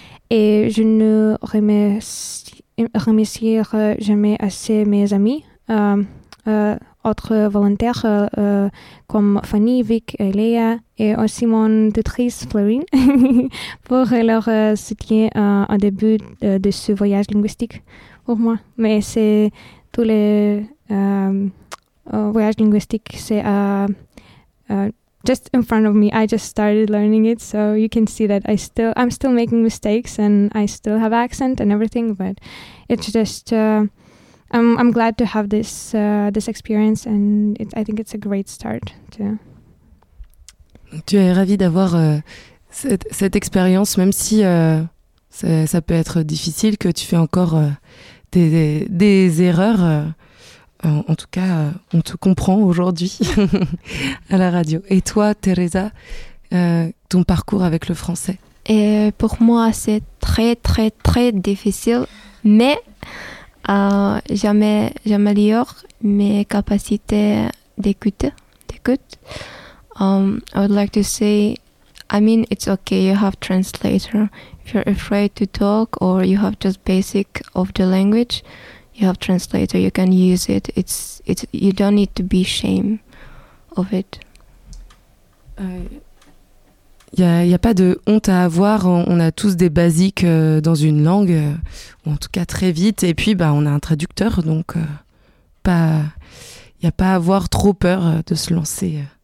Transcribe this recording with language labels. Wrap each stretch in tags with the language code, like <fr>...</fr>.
<fr>Et je ne remercie jamais assez mes amis, autres volontaires comme Fanny, Vic, Léa et aussi mon tutrice Florine pour leur soutien en début de ce voyage linguistique pour moi. Mais c'est tous les voyages linguistiques, c'est</fr> <en>just in front of me. I just started learning it, so you can see that I'm still making mistakes and I still have accent and everything, but it's just I'm glad to have this this experience, and I think it's a great start too.</en> <fr>Tu es ravie d'avoir cette expérience, même si ça peut être difficile, que tu fais encore des erreurs. En tout cas, on te comprend aujourd'hui à la radio. Et toi, Teresa, ton parcours avec le français? Et pour moi, c'est très, très, très difficile, mais j'améliore mes capacités d'écoute.</fr> <en>I would like to say, I mean, it's okay, you have translator. If you're afraid to talk or you have just basic of the language, you have translator, you can use it. It's you don't need to be ashamed of it.</en> <fr>Il y a pas de honte à avoir. On a tous des basiques dans une langue, ou en tout cas très vite. Et puis on a un traducteur, donc pas. Il y a pas à avoir trop peur de se lancer.</fr>